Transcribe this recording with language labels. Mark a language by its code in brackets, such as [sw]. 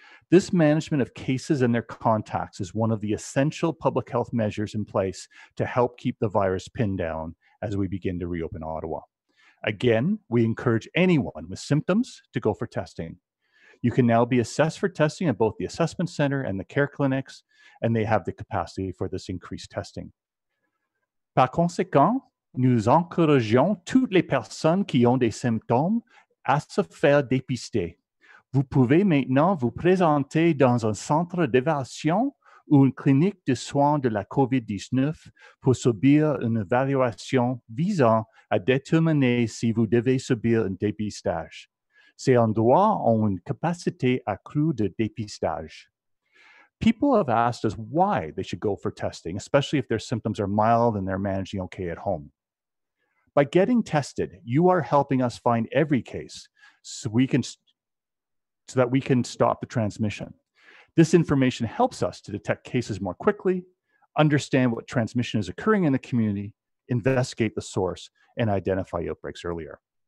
[en] This management of cases and their contacts is one of the essential public health measures in place to help keep the virus pinned down as we begin to reopen Ottawa. Again, we encourage anyone with symptoms to go for testing. You can now be assessed for testing at both the assessment center and the care clinics, and they have the capacity for this increased testing. [fr] Par conséquent, nous encourageons toutes les personnes qui ont des symptômes à se faire dépister. Vous pouvez maintenant vous présenter dans un centre d'évaluation ou une clinique de soins de la COVID-19 pour subir une évaluation visant à déterminer si vous devez subir un dépistage. Ces endroits ont une capacité accrue de dépistage. [en] People have asked us why they should go for testing, especially if their symptoms are mild and they're managing okay at home. By getting tested, you are helping us find every case so that we can stop the transmission. This information helps us to detect cases more quickly, understand what transmission is occurring in the community, investigate the source, and identify outbreaks earlier.